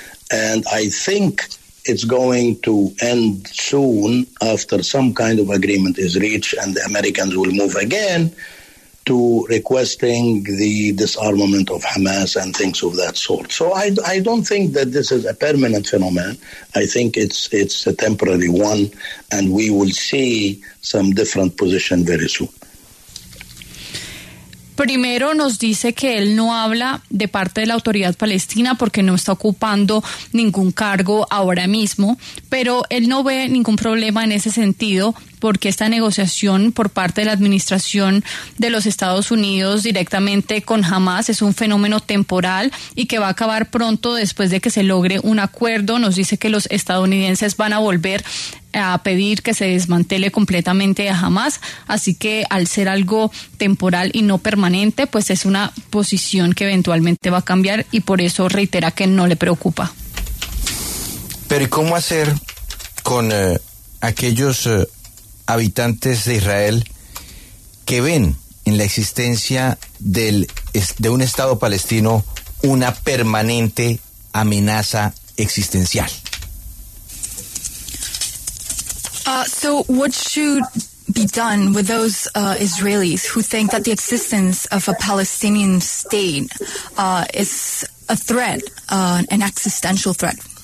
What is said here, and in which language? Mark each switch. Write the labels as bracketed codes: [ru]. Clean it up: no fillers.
[en] And I think it's going to end soon after some kind of agreement is reached, and the Americans will move again to requesting the disarmament of Hamas and things of that sort. So I don't think that this is a permanent phenomenon. I think it's a temporary one, and we will see some different position very soon. [es] Primero nos dice que él no habla de parte de la autoridad palestina porque no está ocupando ningún cargo ahora mismo, pero él no ve ningún problema en ese sentido, porque esta negociación por parte de la administración de los Estados Unidos directamente con Hamas es un fenómeno temporal y que va a acabar pronto después de que se logre un acuerdo. Nos dice que los estadounidenses van a volver a pedir que se desmantele completamente a Hamas, así que al ser algo temporal y no permanente, pues es una posición que eventualmente va a cambiar y por eso reitera que no le preocupa. Pero ¿y cómo hacer con aquellos habitantes de Israel que ven en la existencia de un Estado palestino una permanente amenaza existencial? [en] So what should be done with those Israelis who think that the existence of a Palestinian state is a threat, an existential threat?